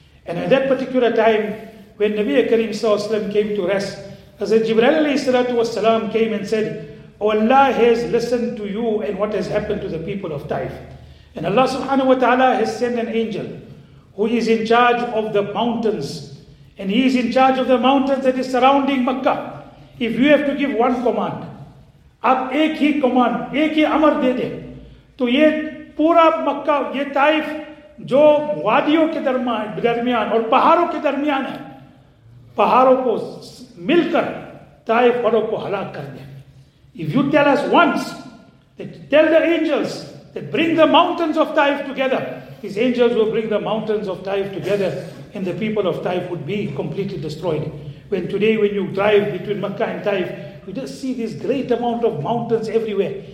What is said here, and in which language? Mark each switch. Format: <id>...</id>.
<en>And at that particular time, when Nabi Kareem Sallallahu Alaihi Wasallam came to rest, Hazrat Jibreel Alayhi Salatu Wasalam came and said, "Oh, Allah has listened to you and what has happened to the people of Taif. And Allah Subhanahu Wa Ta'ala has sent an angel who is in charge of the mountains. And he is in charge of the mountains that is surrounding Makkah. If you have to give one command,</en> <hi>आप एक ही command, एक ही अमर दे दें, तो ये पूरा मक्का, ये Taif जो वादियों के दरमियान और पहाड़ों के दरमियान है, पहाड़ों को मिलकर ताइफ वालों को हलाक कर दें।</hi> <en>If you tell us once, tell the angels that bring the mountains of Taif together, these angels will bring the mountains of Taif together, and the people of Taif would be completely destroyed. When today, when you drive between Makkah and Taif, you just see this great amount of mountains everywhere.</en>